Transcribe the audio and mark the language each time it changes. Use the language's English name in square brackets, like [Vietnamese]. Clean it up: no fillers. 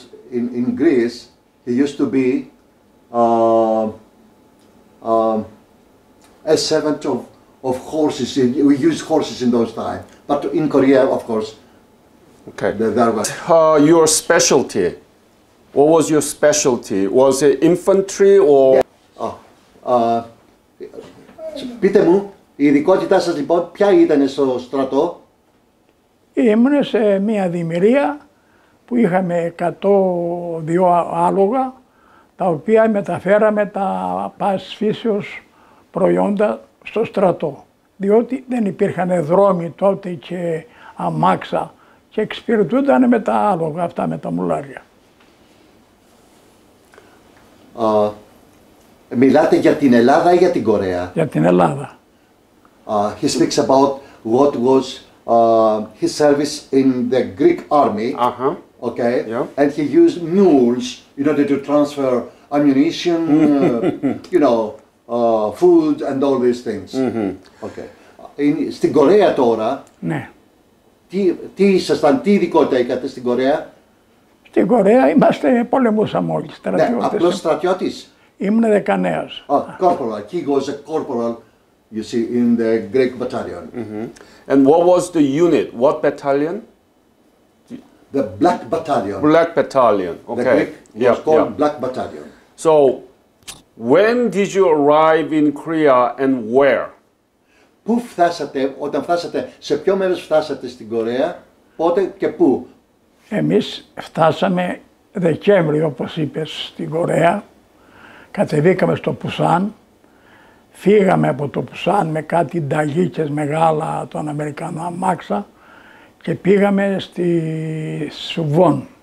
[English] In Greece, he used to be a servant of horses. We used horses in those times. But in Korea, of course. Okay. Your specialty. What was your specialty? Was it infantry or? [Greek] Πείτε μου, η ειδικότητά σας λοιπόν, ποια ήταν στο στρατό? Ήμουν σε μια δημιουργία που είχαμε 102 άλογα, τα οποία μεταφέραμε τα πάσης φύσεως προϊόντα στο στρατό. Διότι δεν υπήρχαν δρόμοι τότε και αμάξα και εξυπηρετούνταν με τα άλογα αυτά, με τα μουλάρια. Μιλάτε για την Ελλάδα ή για την Κορέα? Για την Ελλάδα. [English] He speaks about what was his service in the Greek army. Uh-huh. Okay. Yeah. And he used mules in order to transfer ammunition, you know, food and all these things. Mm-hmm. Okay. [Greek] Στην Κορέα τώρα. Ναι. Τι ήσασταν, τι ειδικότητα είχατε στην Κορέα? Στην Κορέα είμαστε, πολεμούσαμε όλοι, στρατιώτες. Ναι, απλώς στρατιώτης. Ήμουν 19. [English] Corporal. He was a corporal, you see, in the Greek battalion. Mm-hmm. And what was the unit? What battalion? The Black Battalion. Black Battalion, okay. The Greek was called Black Battalion. So, when did you arrive in Korea and where? [Greek] Πού φτάσατε, όταν φτάσατε, σε ποιο μέρος φτάσατε στην Κορέα, πότε και πού? Εμείς φτάσαμε Δεκέμβρη, όπως είπες, στην Κορέα. Κατεβήκαμε στο Πουσάν. Φύγαμε από το Πουσάν με κάτι νταγίκες μεγάλα των Αμερικανών αμάξα και πήγαμε στη Σουβόν.